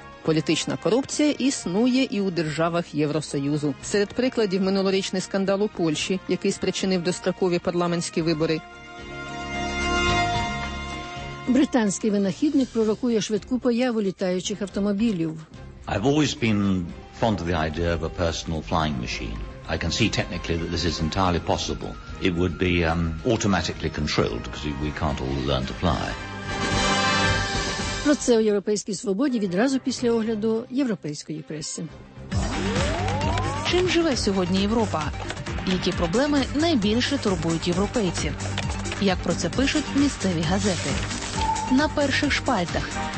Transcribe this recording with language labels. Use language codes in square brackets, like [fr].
[uk] Політична корупція існує і у державах Євросоюзу. Серед прикладів – минулорічний скандал у Польщі, який спричинив дострокові парламентські вибори. Британський винахідник пророкує швидку появу літаючих автомобілів. [en] I've always been fond of the idea of a personal flying machine. I can see technically that this is entirely possible. It would be automatically controlled, because we can't all learn to fly. [uk] Про це у Європейській свободі відразу після огляду європейської преси. Чим живе сьогодні Європа? Які проблеми найбільше турбують європейців? Як про це пишуть місцеві газети? На перших шпальтах.